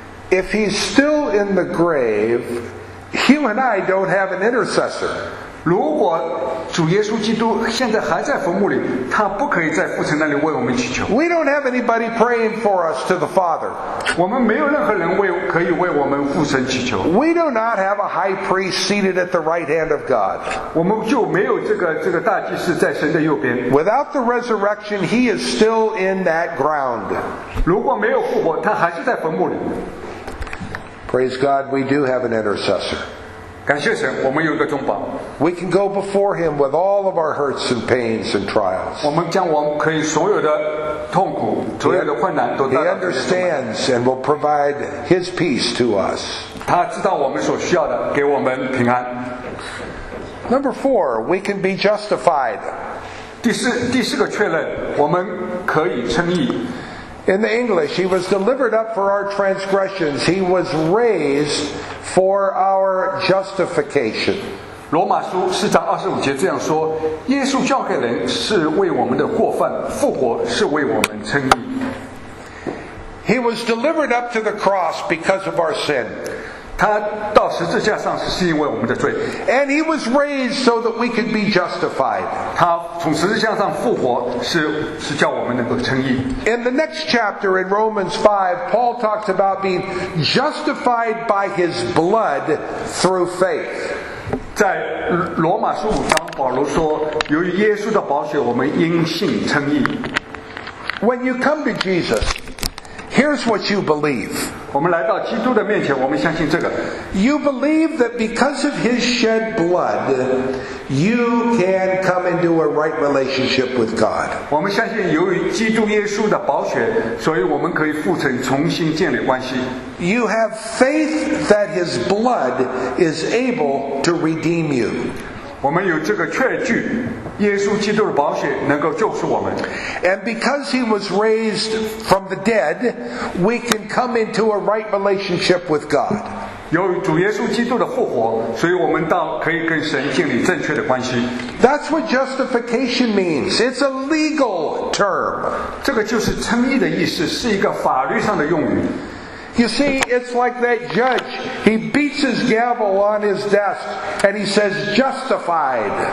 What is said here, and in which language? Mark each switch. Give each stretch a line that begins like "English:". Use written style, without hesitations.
English: If he's still in the grave, he and I don't have an intercessor.
Chinese: 如果主耶稣基督现在还在坟墓里，他不可以在父神那里为我们祈求。
English: We don't have anybody praying for us to the Father.
Chinese: 我们没有任何人可以为我们父神祈求。
English: We do not have a high priest seated at the right hand of God.
Chinese: 我们就没有这个大祭司在神的右边。
English: Without the resurrection, he is still in that ground.
Chinese: 如果没有复活，他还是在坟墓里。
English: Praise God, we do have an intercessor.
Chinese: 感谢神，我们有一个中保。
English: We can go before him with all of our hurts and pains and trials.
Chinese: 我们将我们可以所有的痛苦、所有的困难都带到他面前。
English: He understands and will provide his peace to us.
Chinese: 他知道我们所需要的，给我们平安。
English: Number four, we can be justified.
Chinese: 第四个确认，我们可以称义。
English: In the English, he was delivered up for our transgressions. He was raised for our justification.
Chinese: 罗马书四章二十五节这样说，耶稣交给人是为我们的过犯，复活是为我们称义。
English: He was delivered up to the cross because of our sin.
Chinese: 他到十字架上是因为我们的罪。
English: And he was raised so that we could be justified.
Chinese: 他从十字架上复活是叫我们能够称义。
English: In the next chapter in Romans 5, Paul talks about being justified by his blood through faith.
Chinese: 在罗马书五章，保罗说，由于耶稣的宝血，我们因信称义。
English: When you come to Jesus, here's what you believe.
Chinese: 我们来到基督的面前，我们相信这个。
English: You believe that because of his shed blood, you can come into a right relationship with God.
Chinese: 我们相信由于基督耶稣的宝血，所以我们可以父神重新建立关系。
English: You have faith that his blood is able to redeem you.
Chinese: 我们有这个确据，耶稣基督的宝血能够救赎我们。
English: And because he was raised from the dead, we can come into a right relationship with God.
Chinese: 由于主耶稣基督的复活，所以我们倒可以跟神建立正确的关系。
English: That's what justification means. It's a legal term.
Chinese: 这个就是称义的意思，是一个法律上的用语。
English: You see, it's like that judge. He beats his gavel on his desk and he says, justified.